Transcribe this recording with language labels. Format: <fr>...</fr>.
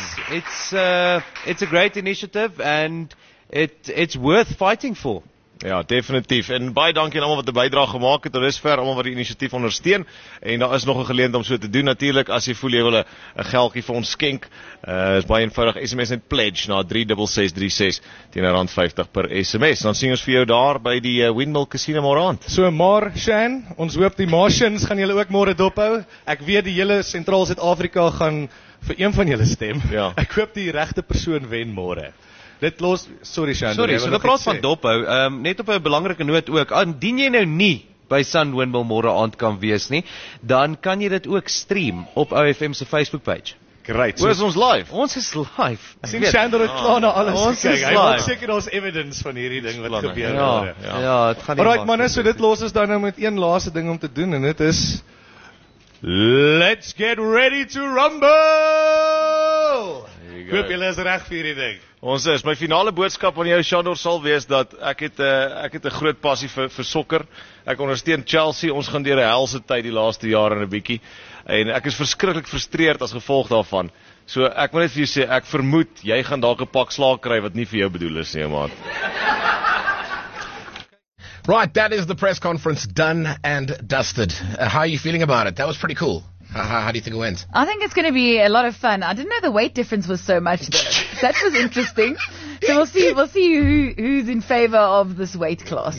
<en>it's a great initiative and it's worth fighting for.</en> <af>Ja, definitief. En baie dankie aan almal wat 'n bydrae gemaak het. Daar is ver almal wat die initiatief ondersteun. En daar is nog 'n geleentheid om so te doen. Natuurlik, as jy voel jy wil 'n geldjie vir ons skenk, is baie eenvoudig. SMS net pledge na 36636 teen R50 per SMS. Dan sien ons vir jou daar by die Windmill Casino môre aand. So, maar Shan, ons hoop die Martians gaan julle ook môre dophou. Ek weet die hele sentraal Suid-Afrika gaan vir een van julle stem. Ja. Ek hoop die regte persoon wen môre. Dit los, sorry Shandor. Sorry, so dit praat van dophou. Net op 'n belangrike noot ook, indien jy nou nie by Sun Windmill môre aand kan wees nie, dan kan jy dit ook stream op OFM se Facebook page.</af> <en>Great.</en> <af>Where's ons live? Ons is live. Sien Sandra het klaar na alles gekyk. Ons is live. Ek seker ons evidence van hierdie ding wat gebeur het. Ja, ja, dit gaan nie. Alright manne, so dit los ons dan nou met een laaste ding om te doen en dit is</af> <en>let's get ready to rumble.</en> <af>Ek hoop julle is reg vir hierdie ding. Ons is my finale boodskap aan jou Shador sal wees dat ek het 'n groot passie vir sokker. Ek ondersteun Chelsea. Ons gaan deur 'n helse tyd die laaste jaar en 'n bietjie. En ek is verskriklik frustreerd as gevolg daarvan. So ek wil net vir jou sê, ek vermoed jy gaan dalk 'n pak slaag kry wat nie vir jou bedoel is nie, maat.</af> <en>Right, that is the press conference done and dusted. How are you feeling about it? That was pretty cool. How do you think it went? I think it's going to be a lot of fun. I didn't know the weight difference was so much, though. That was interesting. So we'll see who's in favor of this weight class.</en>